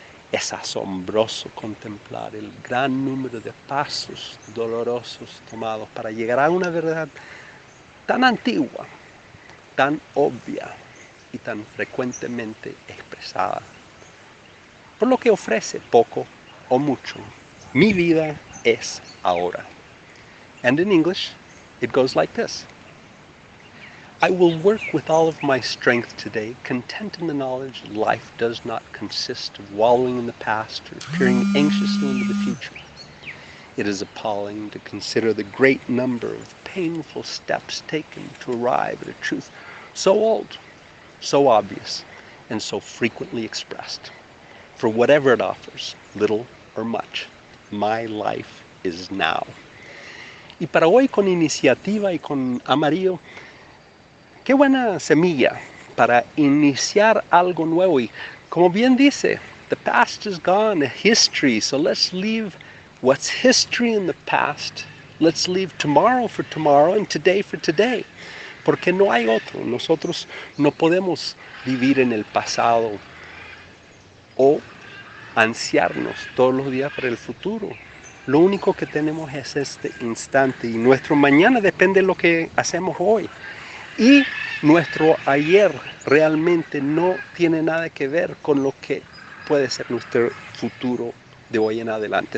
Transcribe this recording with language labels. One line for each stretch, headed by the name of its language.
Spanish: Es asombroso contemplar el gran número de pasos dolorosos tomados para llegar a una verdad tan antigua, tan obvia y tan frecuentemente expresada. Por lo que ofrece poco o mucho, mi vida es ahora.
English: And in English, it goes like this. I will work with all of my strength today, content in the knowledge that life does not consist of wallowing in the past or peering anxiously into the future. It is appalling to consider the great number of painful steps taken to arrive at a truth so old, so obvious, and so frequently expressed. For whatever it offers, little or much, my life is now.
Spanish: Y para hoy con iniciativa y con amarillo, qué buena semilla para iniciar algo nuevo. Y como bien dice,
English: the past is gone, history. So let's leave what's history in the past. Let's leave tomorrow for tomorrow and today for today.
Spanish: Porque no hay otro. Nosotros no podemos vivir en el pasado o ansiarnos todos los días para el futuro. Lo único que tenemos es este instante y nuestro mañana depende de lo que hacemos hoy. Y nuestro ayer realmente no tiene nada que ver con lo que puede ser nuestro futuro de hoy en adelante.